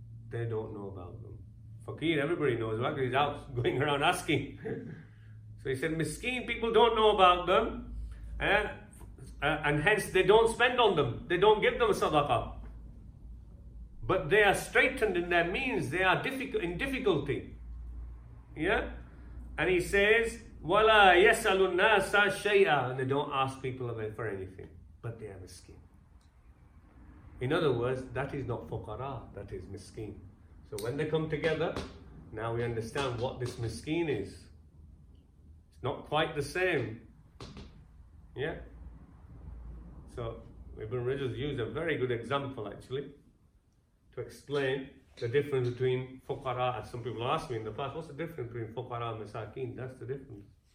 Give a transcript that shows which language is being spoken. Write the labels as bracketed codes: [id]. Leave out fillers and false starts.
[en] They don't know about them. Fakir, everybody knows about him. He's out going around asking. So he said, miskeen, people don't know about them. And hence they don't spend on them. They don't give them a sadaqah. But they are straitened in their means. They are in difficulty. Yeah? [ar] And he says, وَلَا يَسْأَلُ النَّاسَ شَيْئًا. [en] And they don't ask people of it for anything. But they are miskeen. In other words, that is not fuqara, that is miskeen. So when they come together, now we understand what this miskeen is. It's not quite the same. Yeah? So Ibn Rajab used a very good example actually, to explain the difference between fuqara, as some people asked me in the past, what's the difference between fuqara and masakin? That's the difference.